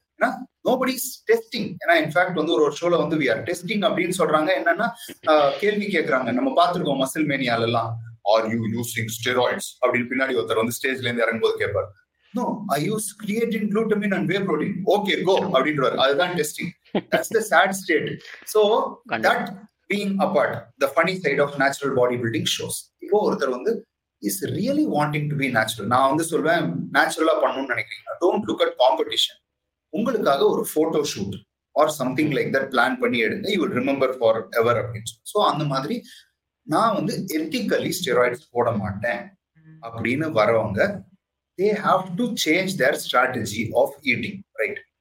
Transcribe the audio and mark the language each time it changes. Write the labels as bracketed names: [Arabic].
[Tamil] ஏன்னா nobody testing, ஏன்னா in fact வந்து ஒரு ஷோல வந்து வி ஆர் டெஸ்டிங் அப்படின்னு சொல்றாங்க. என்னன்னா கேள்வி கேட்கறாங்க, நம்ம பார்த்துருக்கோம் மசில் மேனியால எல்லாம், [English] Are you using steroids? [Tamil] பின்னாடி ஒருத்தர் வந்து ஸ்டேஜ்ல இருந்து இறங்கும் போது கேட்பார், [English] No, I use creatine, glutamine and whey protein. Okay, go. [Tamil] அப்படின்றாரு. அதுதான் testing. [English] That's the sad state. So, that being apart, the funny side of natural bodybuilding shows. [Tamil] இப்போ ஒருத்தர் வந்து [English] is really wanting to be natural. [Tamil] நான் வந்து சொல்வேன், நேச்சுரலா பண்ணணும்னு நினைக்கிறீங்க, [English] Don't look at competition. [Tamil] உங்களுக்காக ஒரு photo shoot [English] or something like that [Tamil] plan பண்ணி எடுங்க, [English] you will remember forever [Tamil] அப்படின்னு சொல்லி. ஸோ அந்த மாதிரி நான் வந்து எத்திக்கலி ஸ்டெராய்ட்ஸ் போட மாட்டேன் அப்படின்னு வரவங்க, [English] they have to change their strategy of eating, [Tamil] right?